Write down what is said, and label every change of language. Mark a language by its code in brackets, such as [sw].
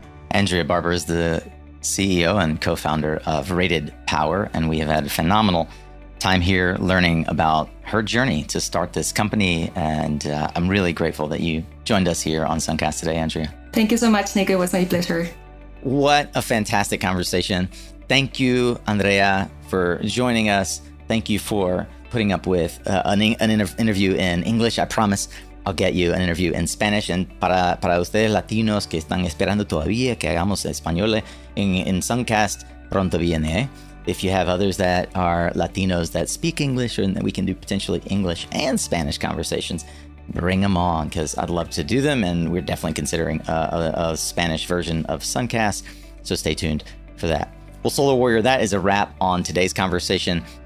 [en] Andrea Barber is the CEO and co-founder of Rated Power, and we have had a phenomenal time here learning about her journey to start this company, and I'm really grateful that you joined us here on Suncast today, Andrea. Thank you so much, Nick. It was my pleasure. What a fantastic conversation. Thank you, Andrea, for joining us. Thank you for putting up with an interview in English. I promise I'll get you an interview in Spanish. [es] And para ustedes latinos que están esperando todavía que hagamos español en Suncast, pronto viene. [en] If you have others that are Latinos that speak English and that we can do potentially English and Spanish conversations, bring them on, because I'd love to do them. And we're definitely considering a Spanish version of Suncast. So stay tuned for that. Well, Solar Warrior, that is a wrap on today's conversation.